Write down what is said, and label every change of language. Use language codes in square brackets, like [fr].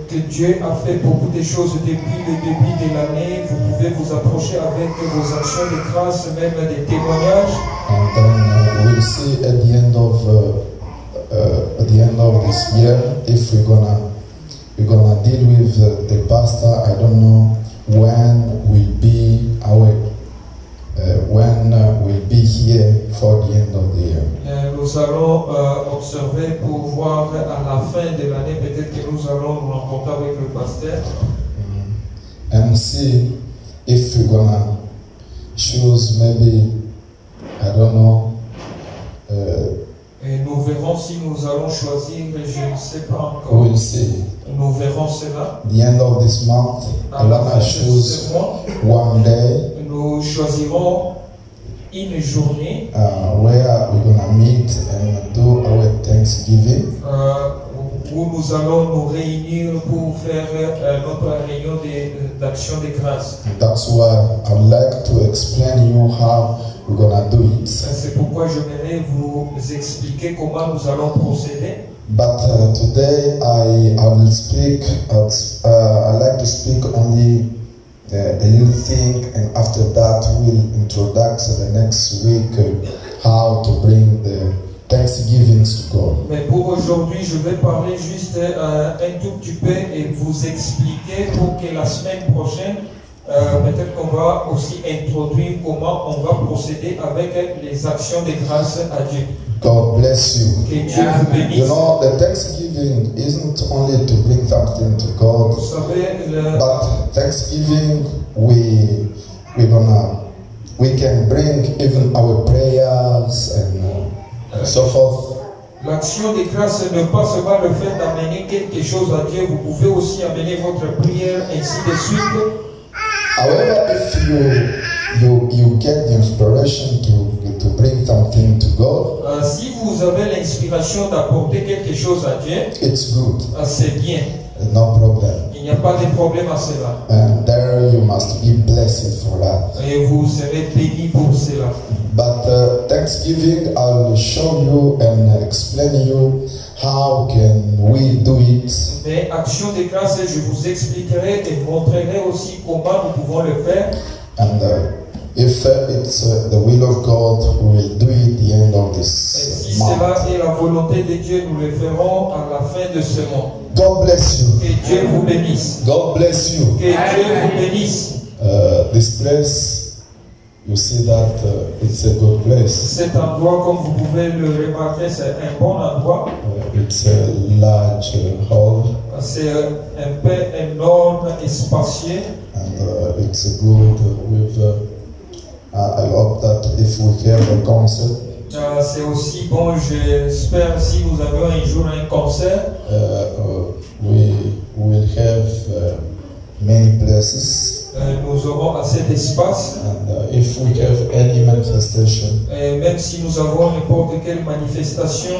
[fr] Dieu a fait beaucoup de choses depuis le début de l'année. Vous pouvez vous approcher avec vos actions de grâce, même des témoignages. [en] And then we'll see at the end of this year if we're gonna deal with the pastor. I don't know when we'll be here for the end of the year. [fr] Nous allons observer pour voir à la fin de l'année peut-être que nous allons nous rencontrer avec le pasteur. [en] And see if we're gonna choose maybe I don't know. [fr] Et nous verrons si nous allons choisir, mais je ne sais pas encore. [en] We'll see. [fr] Nous verrons cela. [en] The end of this month. Alors, I choose one day. [fr] Nous choisirons une journée [en] Where we're gonna meet and do our Thanksgiving. [fr] Où nous allons nous réunir pour faire notre réunion d'action de grâce. [en] That's why I'd like to explain you how we're gonna do it. [fr] C'est pourquoi j'aimerais vous expliquer comment nous allons procéder. [en] But today I'd like to speak only a little thing, and after that we'll introduce the next week how to bring the thanksgivings to God. [fr] Mais pour aujourd'hui, je vais parler juste un tout petit peu et vous expliquer pour que la semaine prochaine, peut-être qu'on va aussi introduire comment on va procéder avec les actions de grâce à Dieu. [en] God bless you. [fr] Que Dieu vous bénisse. [en] You know, the Thanksgiving isn't only to bring something to God, [fr] vous savez, [en] but Thanksgiving we can bring even our prayers and so forth. [fr] L'action de grâce n'est pas seulement le fait d'amener quelque chose à Dieu. Vous pouvez aussi amener votre prière ainsi de suite. [en] However, if you get the inspiration to bring something to God, [fr] si vous avez l'inspiration d'apporter quelque chose à Dieu, [en] it's good. [fr] C'est bien. [en] No problem. [fr] Il n'y a pas de problème à cela. [en] And there you must be blessed for that. [fr] Et vous serez béni pour cela. [en] But Thanksgiving, I'll show you and explain you how can we do it. [fr] Mais action de grâce, je vous expliquerai et montrerai aussi comment nous pouvons le faire. [en] And if it's the will of God, we will do it at the end of this month. [fr] Si cela est la volonté de Dieu, nous le ferons à la fin de ce mois. [en] God bless you. [fr] Que Dieu vous bénisse. [en] God bless you. [fr] Que Dieu vous bénisse. [en] This place, you see that it's a good place. [fr] Cet endroit, comme vous pouvez le remarquer, c'est un bon endroit. [en] It's a large hall. [fr] C'est un paix énorme et spacieux. [en] And it's a good with I hope that if we have a concert. [fr] C'est aussi bon, j'espère, si vous avez un jour un concert. [en] We will have many places. [fr] Nous aurons assez d'espace. [en] And if we have any manifestation. [fr] Et même si nous avons n'importe quelle manifestation.